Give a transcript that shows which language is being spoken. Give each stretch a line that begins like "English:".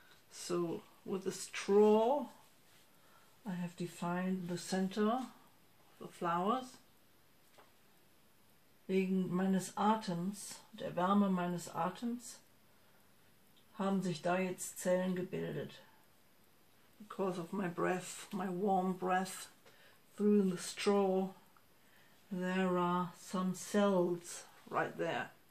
English: So, with a straw, I have defined the center of the flowers.
German: Wegen meines Atems, der Wärme meines Atems, haben sich da jetzt Zellen gebildet.
English: Because of my breath, my warm breath through the straw, there are some cells right there.